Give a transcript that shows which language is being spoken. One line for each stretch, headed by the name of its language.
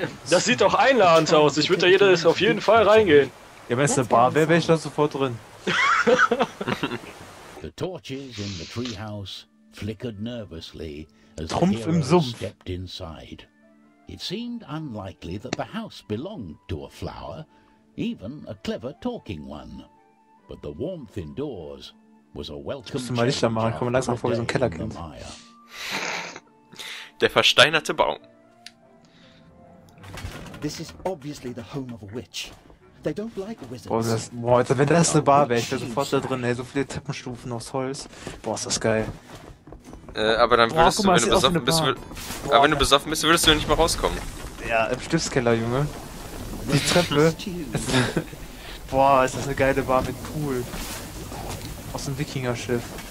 German: Das sieht doch einladend aus. Ich würde da jeder auf jeden Fall reingehen. Ja, wenn es eine Bar wäre, wäre ich da sofort drin.
English: The torches in the treehouse flickered nervously as Trumpf im Sumpf stepped inside. It seemed unlikely that the house belonged to a flower, even a clever talking one. But the warmth indoors was a welcome.
German: Musst du mal Licht anmachen, komm langsam vor wie so ein Kellerkind. Der versteinerte Baum.
English: This is obviously the home of a witch. They don't like wizards.
German: Boah, das, boah, wenn das eine Bar wäre, ich wäre sofort da drin, ey, so viele Treppenstufen aus Holz. Boah, ist das geil. Aber dann würdest boah, du, mal, wenn du besoffen bist, boah, aber wenn du besoffen bist, würdest du nicht mehr rauskommen. Ja, im Stiftskeller, Junge. Die Treppe. Boah, ist das eine geile Bar mit Pool. Aus dem Wikinger-Schiff.